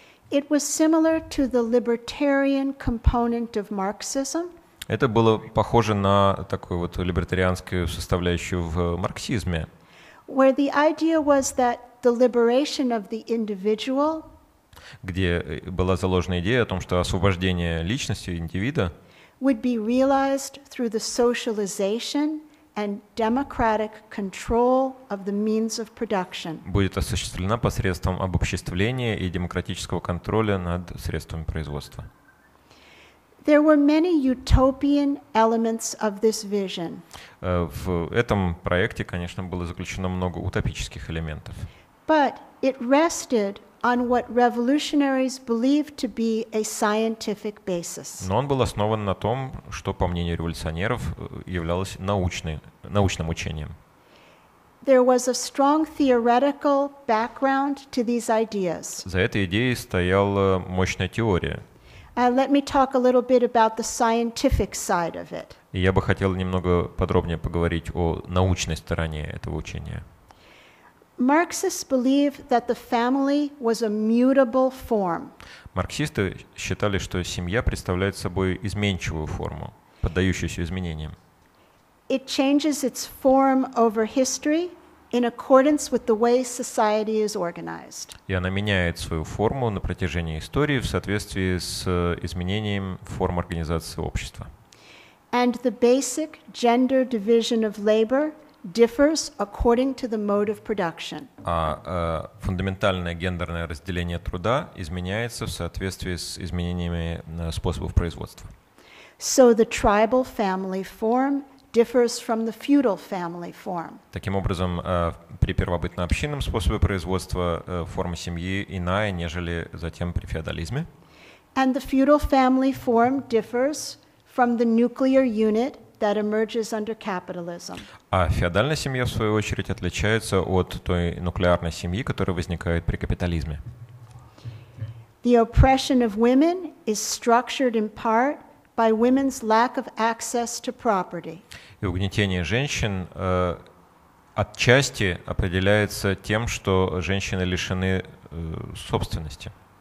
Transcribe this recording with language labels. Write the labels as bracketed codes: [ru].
[en] It was similar to the libertarian component of Marxism. [ru] Это было похоже на такую вот либертарианскую составляющую в марксизме. [en] Where the idea was that the liberation of the individual, [ru] где была заложена идея о том, что освобождение личности, индивида [en] would be realized through the socialization and democratic control of the means of production. [ru] Будет осуществлена посредством обобществления и демократического контроля над средствами производства. [en] There were many utopian elements of this vision. [ru] В этом проекте, конечно, было заключено много утопических элементов. [en] But it rested on what revolutionaries believed to be a scientific basis. [ru] Но он был основан на том, что, по мнению революционеров, являлось научным учением. [en] There was a strong theoretical background to these ideas. [ru] За этой идеей стояла мощная теория. [en] Let me talk a little bit about the scientific side of it. [ru] И я бы хотел немного подробнее поговорить о научной стороне этого учения. [en] Marxists believe that the family was a mutable form. [ru] Марксисты считали, что семья представляет собой изменчивую форму, поддающуюся изменениям. [en] It changes its form over history in accordance with the way society is organized. [ru] И она меняет свою форму на протяжении истории в соответствии с изменением форм организации общества. [en] And the basic gender division of labor differs according to the mode of production. [ru] Фундаментальное гендерное разделение труда изменяется в соответствии с изменениями способов производства. [en] So the tribal family form differs from the feudal family form. [ru] Таким образом, при первобытно общинном способе производства форма семьи иная, нежели затем при феодализме. [en] And the feudal family form differs from the nuclear unit that emerges under capitalism. [ru] А феодальная семья, в свою очередь, отличается от той нуклеарной семьи, которая возникает при капитализме. [en] The oppression of women is structured in part by women's lack of access to property. [ru] И угнетение женщин отчасти определяется тем, что женщины лишены собственности.